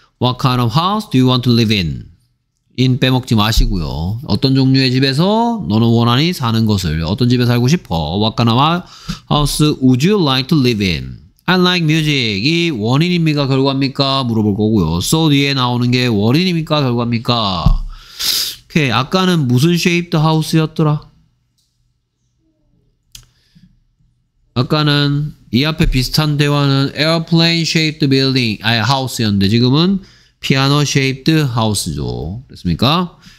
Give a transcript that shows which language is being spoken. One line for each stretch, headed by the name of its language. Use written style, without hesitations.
English: What kind of house do you want to live in?
Korean: in 빼먹지 마시고요. 어떤 종류의 집에서 너는 원하니 사는 것을 어떤 집에 살고 싶어?
English: What kind of house would you like to live in? I like music.
Korean: 이 원인입니까? 결과입니까? 물어볼 거고요. So 뒤에 나오는 게 원인입니까? 결과입니까? 오케이. 아까는 무슨 shaped house였더라? 아까는 이 앞에 비슷한 대화는
English: airplane shaped building,
Korean: 아니 house였는데 지금은
English: piano shaped house
Korean: 죠. 됐습니까?